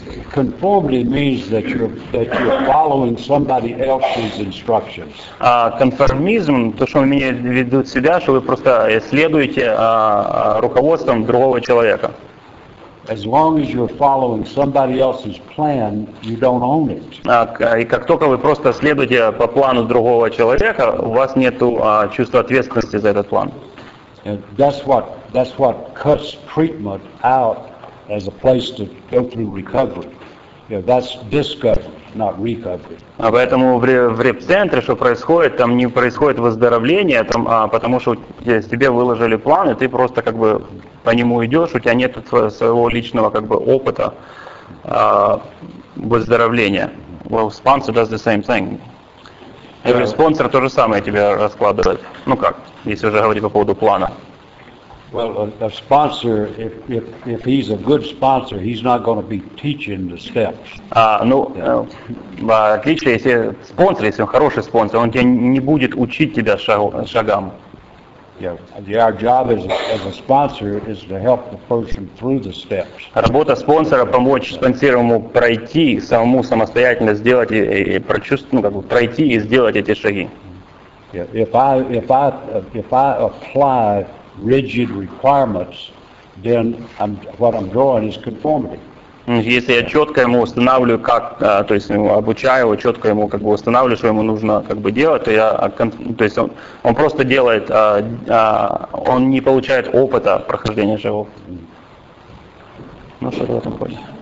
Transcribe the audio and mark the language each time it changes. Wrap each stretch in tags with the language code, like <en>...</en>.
<en>Conformity means that you're following somebody else's instructions.</en> <ru>Конформизм, то, что он имеет в виду себя, что вы просто следуете руководством другого человека.</ru> <en>As long as you're following somebody else's plan, you don't own it.</en> <ru>И как только вы просто следуете по плану другого человека, у вас нету чувства ответственности за этот план.</ru> <en>And that's what cuts treatment out as a place to go through recovery. You know, that's discovery, not recovery.</en> <ru>А поэтому в реп-центре, что происходит, там не происходит выздоровление, там, потому что тебе выложили план, и ты просто как бы по нему идешь, у тебя нет своего личного как бы опыта выздоровления.</ru> <en>Well, sponsor does the same thing. Every sponsor</en> <ru>то же самое тебе раскладывает. Если уже говорить по поводу плана.</ru> <en>Well, a sponsor, if he's a good sponsor, he's not going to be teaching the steps.</en> <ru>Отлично, если спонсор, если он хороший спонсор, он тебе не будет учить тебя шагам.</ru> <en>Yeah, our job as a sponsor is to help the person through the steps.</en> <ru>Работа спонсора — помочь спонсируемому пройти самому, самостоятельно сделать и прочувствовать, пройти и сделать эти шаги.</ru> <en>Yeah, if I apply rigid requirements, then what I'm drawing is conformity.</en> <ru>Если я четко ему устанавливаю, как, то есть обучаю его, четко ему как бы устанавливаю, что ему нужно как бы делать, то я, то есть он просто делает, он не получает опыта прохождения шагов. Ну что ты в этом понял?</ru>